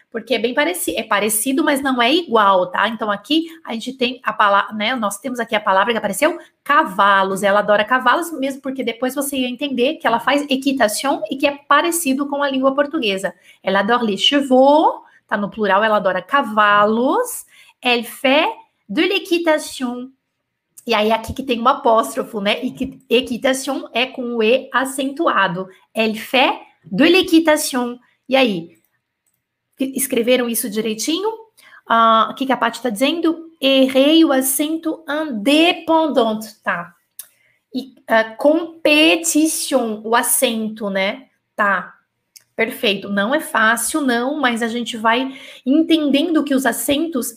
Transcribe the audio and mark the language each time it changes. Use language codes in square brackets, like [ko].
[pt] Porque é bem parecido, é parecido, mas não é igual, tá? Então aqui a gente tem a palavra, né? Nós temos aqui a palavra que apareceu, cavalos. Ela adora cavalos, mesmo porque depois você ia entender que ela faz equitação e que é parecido com a língua portuguesa. Ela adora [fr] les chevaux, [pt] tá no plural, ela adora cavalos. [fr] Elle fait de l'équitation. [pt] E aí aqui que tem um apóstrofo, né? Equitation é com o E acentuado. [fr] Elle fait de l'équitation. [pt] E aí? Escreveram isso direitinho? O que que a Paty está dizendo? Errei o acento indépendant, tá? E competition, o acento, né? Tá. Perfeito. Não é fácil, não, mas a gente vai entendendo que os acentos.